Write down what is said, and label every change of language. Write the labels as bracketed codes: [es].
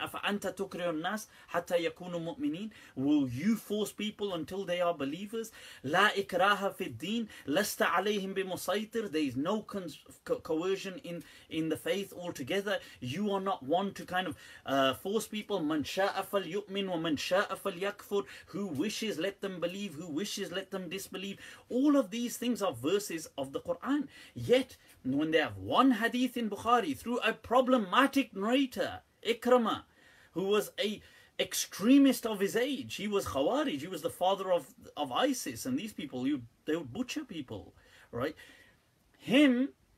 [ar] أَفَأَنْتَ تُكْرِيُ النَّاسِ حَتَّى يَكُونُوا مُؤْمِنِينَ [en] Will you force people until they are believers? [ar] لَا إِكْرَاهَ فِي الدِّينِ لَسْتَ عَلَيْهِمْ بِمُسَيْطِرِ [en] There is no coercion in the faith altogether. You are not one to kind of force people. [ar] مَنْ شَاءَ فَلْيُؤْمِنُ وَمَنْ شَاءَ فَلْيَكْفُرُ [en] Who wishes, let them believe. Who wishes, let them disbelieve. All of these things are verses of the Quran. Yet, when they have one hadith in Bukhari through a problematic narrator, Ikramah, who was a extremist of his age, he was Khawarij, he was the father of ISIS, and these people, they would butcher people, right? Him